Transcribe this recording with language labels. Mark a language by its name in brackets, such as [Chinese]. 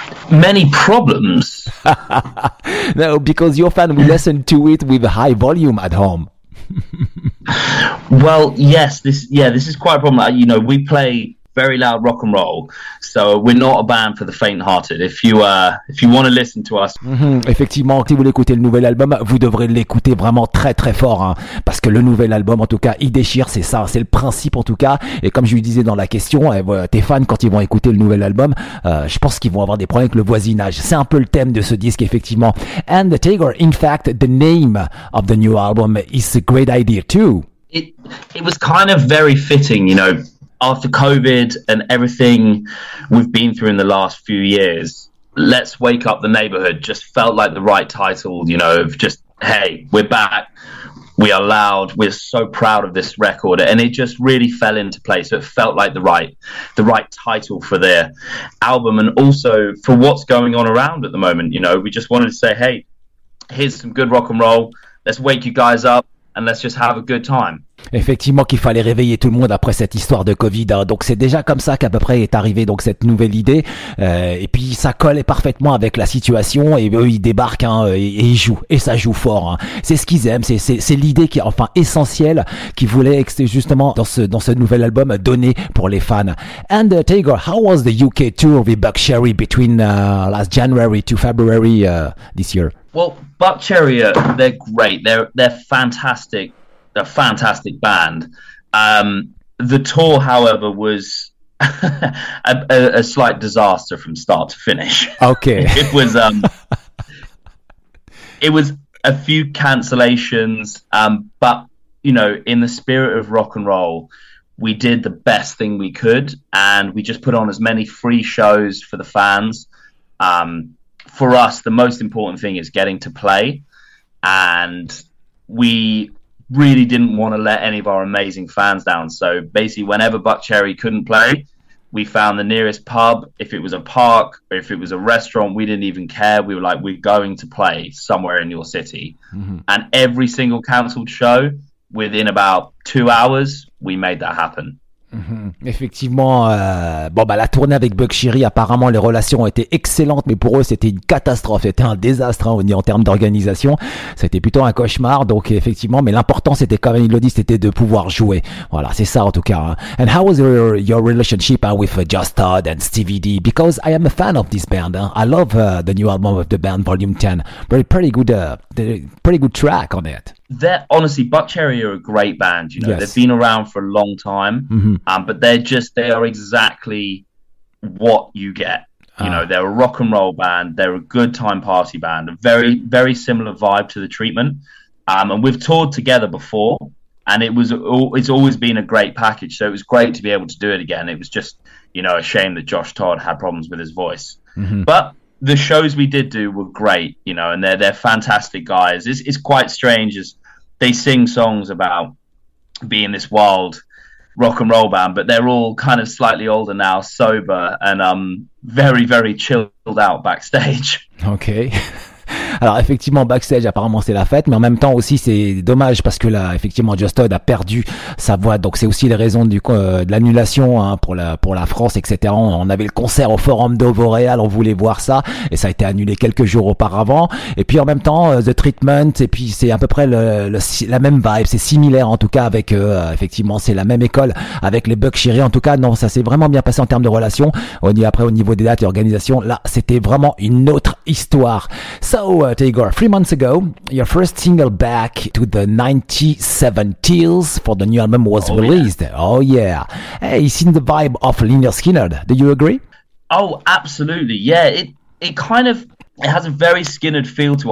[English] Many problems? No, because your fan will listen to it with high volume at home. Well, yes, this is quite a problem. You know, we play very loud rock and roll. So we're not a band for the faint-hearted. If you want to listen to us, [French] effectivement, si vous voulez écouter le nouvel album, vous devrez l'écouter vraiment très très fort, hein, parce que le nouvel album, en tout cas, il déchire. C'est ça, c'est le principe en tout cas. Et comme je lui disais dans la question, tes fans, quand ils vont écouter le nouvel album, je pense qu'ils vont avoir des problèmes avec le voisinage. C'est un peu le thème de ce disque, effectivement. [English] And the Tiger, in fact, the name of the new album is a great idea too. It was kind of very fitting, you know, after COVID and everything we've been through in the last few years, Let's Wake Up the Neighborhood just felt like the right title, you know, of just, hey, we're back, we are loud, we're so proud of this record, and it just really fell into place. So it felt like the right title for the album, and also for what's going on around at the moment, you know. We just wanted to say, hey, here's some good rock and roll, let's wake you guys up. And let's just have a good time. [French] Effectivement qu'il fallait réveiller tout le monde après cette histoire de Covid, hein. Donc c'est déjà comme ça qu'à peu près est arrivée donc cette nouvelle idée, et puis ça colle parfaitement avec la situation, et eux ils débarquent, hein, et ils jouent, et ça joue fort, hein. C'est ce qu'ils aiment, c'est l'idée qui est enfin essentielle, qu'ils voulaient justement dans ce nouvel album donner pour les fans. [English] And Tiger, how was the UK tour with Buck Cherry between last January to February this year? Well, Buck Cherry, they're great. They're fantastic. They're a fantastic band. The tour, however, was a slight disaster from start to finish. Okay. It was a few cancellations, but, you know, in the spirit of rock and roll, we did the best thing we could, and we just put on as many free shows for the fans. For us, the most important thing is getting to play, and we really didn't want to let any of our amazing fans down. So basically, whenever Buck Cherry couldn't play, we found the nearest pub. If it was a park, or if it was a restaurant, we didn't even care. We were like, we're going to play somewhere in your city. Mm-hmm. And every single cancelled show, within about 2 hours, we made that happen. [French] Effectivement, la tournée avec Buck Cherry, apparemment les relations ont été excellentes, mais pour eux c'était une catastrophe, c'était un désastre, hein, en termes d'organisation, c'était plutôt un cauchemar. Donc effectivement, mais l'important c'était quand même, ils l'ont dit, c'était de pouvoir jouer. Voilà, c'est ça en tout cas. Hein. [English] And how was your relationship with Just Todd and Stevie D? Because I am a fan of this band. Hein. I love the new album of the band Volume 10. Pretty good track on it. They're honestly, Buck Cherry are a great band, you know. Yes. They've been around for a long time. Mm-hmm. But they are exactly what you get. You know, they're a rock and roll band, they're a good time party band, a very, very similar vibe to The Treatment. And we've toured together before, and it's always been a great package, so it was great to be able to do it again. It was just, you know, a shame that Josh Todd had problems with his voice. Mm-hmm. But the shows we did do were great, you know, and they're fantastic guys. It's quite strange, as they sing songs about being this wild rock and roll band, but they're all kind of slightly older now, sober, and very, very chilled out backstage. Okay. [French] Alors effectivement, backstage apparemment c'est la fête, mais en même temps aussi c'est dommage parce que là effectivement Just Todd a perdu sa voix, donc c'est aussi les raisons de l'annulation, hein, pour la France, etc. On avait le concert au Forum d'Auvoréal, on voulait voir ça et ça a été annulé quelques jours auparavant. Et puis en même temps The Treatment, et puis c'est à peu près la même vibe, c'est similaire en tout cas avec effectivement c'est la même école avec les Buck Cherry. En tout cas non, ça s'est vraiment bien passé en termes de relations. Au niveau des dates et organisation, là c'était vraiment une autre histoire. [English] So, Tiger, 3 months ago, your first single back to the 97 Teals for the new album was released. Yeah. Oh, yeah. Hey, you've seen the vibe of Lynyrd Skynyrd. Do you agree? Oh, absolutely. Yeah, it kind of, it has a very Skynyrd feel to it.